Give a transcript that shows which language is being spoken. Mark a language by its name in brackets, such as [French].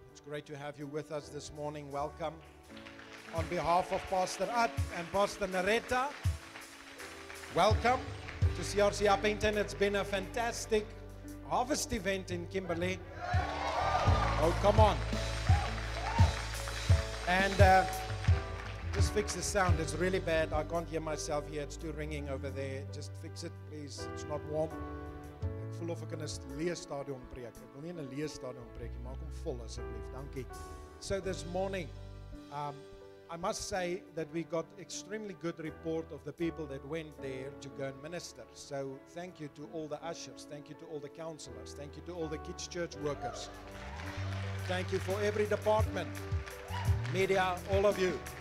[English] It's great to have you with us this morning. Welcome. On behalf of Pastor Ad and Pastor Naretta, welcome to CRC Upington. It's been a fantastic harvest event in Kimberley. Oh, come on. And just fix the sound. It's really bad. I can't hear myself here. It's too ringing over there. Just fix it, please. It's not warm. [Afrikaans] Ek voel of ek in 'n leë stadion preek. Ek wil nie in 'n leë stadion preek nie. Maak hom vol asseblief. Dankie. [English] So this morning, I must say that we got extremely good report of the people that went there to go and minister. So thank you to all the ushers. Thank you to all the counselors. Thank you to all the kids' church workers. Thank you for every department, media, all of you.